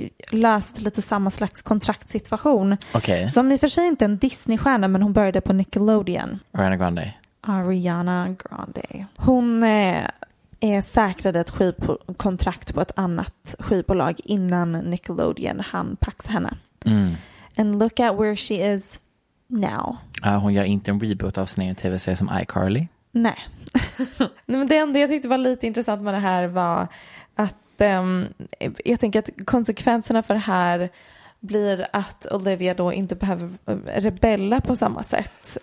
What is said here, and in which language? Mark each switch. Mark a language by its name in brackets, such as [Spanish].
[Swedish] löst lite samma slags kontraktsituation. [English] Okay. [Swedish] Som i och för sig inte en Disney-stjärna, men hon började på Nickelodeon. Ariana Grande. Hon är säkrad ett skivkontrakt på ett annat skivbolag innan Nickelodeon hann paxa henne. [English] And look at where she is now. [Swedish] Hon gör inte en reboot av sin tv-serie som iCarly. Nej. Men det enda jag tyckte var lite intressant med det här var att jag tänker att konsekvenserna för det här blir att Olivia då inte behöver rebella på samma sätt.